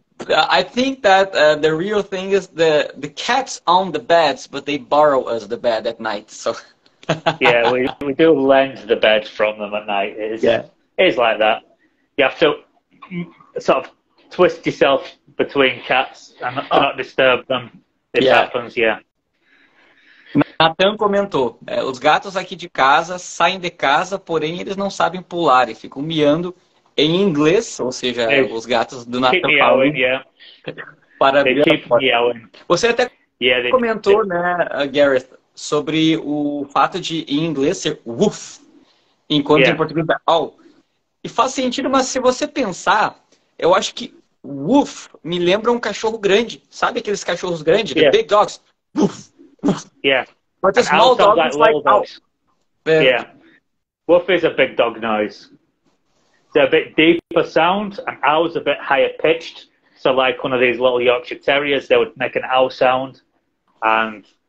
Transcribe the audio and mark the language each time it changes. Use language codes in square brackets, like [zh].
[en] I think that the real thing is the cats own the beds, but they borrow us the bed at night, so... Yeah, we do lend the bed from them at night. It is like that. You have to sort of twist yourself between cats and not disturb them. It happens. [pt] Nathan comentou, os gatos aqui de casa saem de casa, porém eles não sabem pular e ficam miando em inglês, ou seja, os gatos do Nathan falam. Você até comentou, Gareth, sobre o fato de em inglês ser woof, enquanto em português é ow. E faz sentido, mas se você pensar, eu acho que woof me lembra um cachorro grande. Sabe aqueles cachorros grandes? [en] Yeah. The big dogs. [pt] Woof. [en] Yeah. But the and small dogs like little dogs. Yeah. Woof is a big dog noise. It's a bit deeper sound, and owl's a bit higher pitched. So like one of these little Yorkshire Terriers, they would make an owl sound, and...